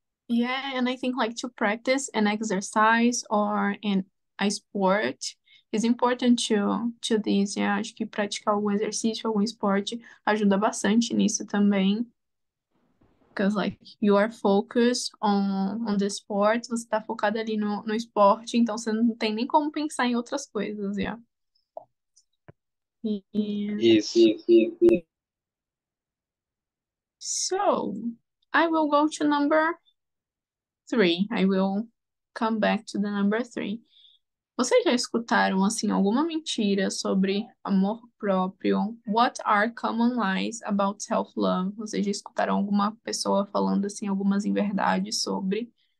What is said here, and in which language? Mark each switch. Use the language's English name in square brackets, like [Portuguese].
[English] Yeah, and I think like to practice an exercise or in a sport is important to this, yeah. [Portuguese] Acho que praticar algum exercício, algum esporte ajuda bastante nisso também. [English] Because like you are focused on the sport, [Portuguese] você tá focado ali no esporte, então você não tem nem como pensar em outras coisas, [English] yeah. [Portuguese] Isso. [English] So, I will go to number three. I will come back to the number three. [Portuguese] Vocês já escutaram assim alguma mentira sobre amor próprio? [English] What are common lies about self-love? [Portuguese] Vocês já escutaram alguma pessoa falando assim algumas inverdades sobre?